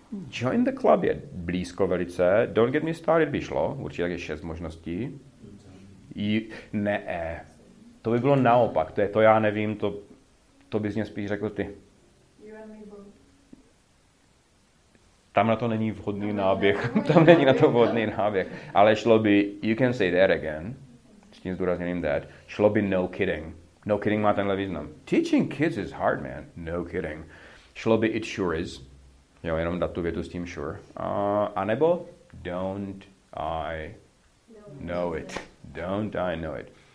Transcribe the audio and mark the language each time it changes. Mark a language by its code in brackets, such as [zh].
[cs] Join the club je blízko velice. Don't get me started by šlo. Určitě tak je 6 možností. Ne. To by bylo naopak. To je to, já nevím. To bys mě spíš řekl ty. Tam na to není vhodný náběh. Tam není na to vhodný náběh. Ale šlo by, you can say that again. S tím zdůrazněním that. Šlo by no kidding. [en] No kidding má tenhle význam. Teaching kids is hard, man. No kidding. [cs] Šlo by, it sure is. Jo, jenom dát tu větu s tím sure. [en] A nebo, don't I know it. Don't I know it.